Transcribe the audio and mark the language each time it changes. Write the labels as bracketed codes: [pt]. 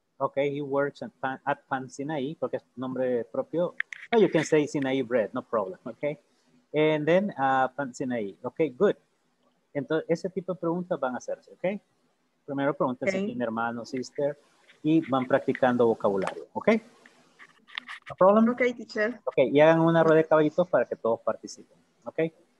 [en] Okay, he works at Pan Sinaí, [es] porque es nombre propio. [en] Oh, you can say Sinaí Bread, no problem, okay? And then Pan Sinaí, okay, good. [es] Entonces, ese tipo de preguntas van a hacerse, ¿ok? Primero pregunta si tiene hermano, sister, y van practicando vocabulario, ¿ok? [en] No problem. Okay, teacher. [es] Okay, y hagan una rueda de caballitos para que todos participen, ¿ok?